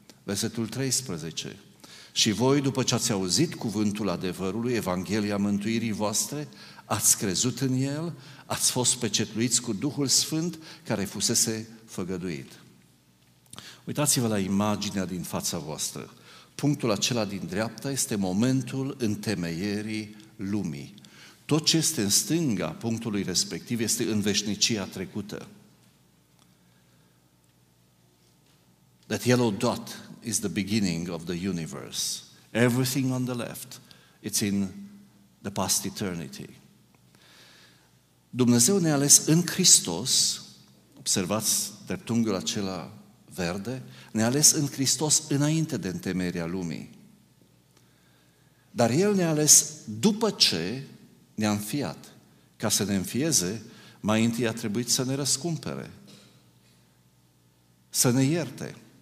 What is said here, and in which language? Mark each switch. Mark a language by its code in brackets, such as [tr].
[ro] Versetul 13. Și voi, după ce ați auzit cuvântul adevărului, Evanghelia mântuirii voastre, ați crezut în El, ați fost pecetluiți cu Duhul Sfânt care fusese făgăduit. Uitați-vă la imaginea din fața voastră. Punctul acela din dreapta este momentul întemeierii lumii. Tot ce este în stânga punctului respectiv este în veșnicia trecută. [en] That yellow dot is the beginning of the universe. Everything on the left, it's in the past eternity. [ro] Dumnezeu ne-a ales în Hristos, observați dreptunghiul acela verde, ne-a ales în Hristos înainte de întemeierea lumii. Dar El ne-a ales după ce ne-a înfiat. Ca să ne înfieze, mai întâi a trebuit să ne răscumpere, să ne ierte.